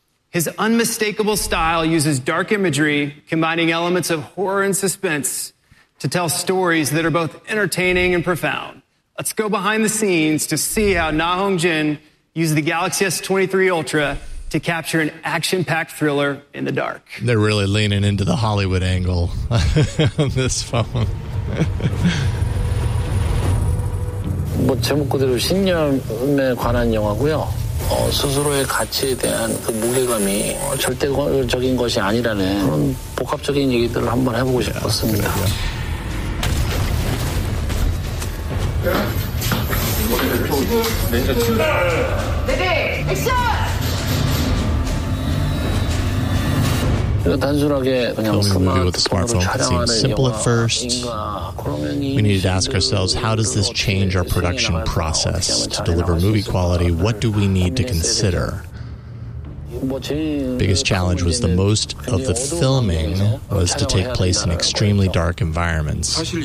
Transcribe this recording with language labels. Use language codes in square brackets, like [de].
[en] His unmistakable style uses dark imagery, combining elements of horror and suspense to tell stories that are both entertaining and profound. Let's go behind the scenes to see how Na Hong Jin used the Galaxy S23 Ultra to capture an action-packed thriller in the dark. They're really leaning into the Hollywood angle on this phone. [ko] 뭐 제목 그대로 신념에 관한 영화고요. 스스로의 가치에 대한 그 무게감이 절대적인 것이 아니라는 그런 복합적인 얘기들을 한번 해보고 싶었습니다. 네네, 액션! [en] Filming the movie with a smartphone could seem simple at first. We needed to ask ourselves, how does this change our production process to deliver movie quality? What do we need to consider? Biggest challenge was the most of the filming was to take place in extremely dark environments.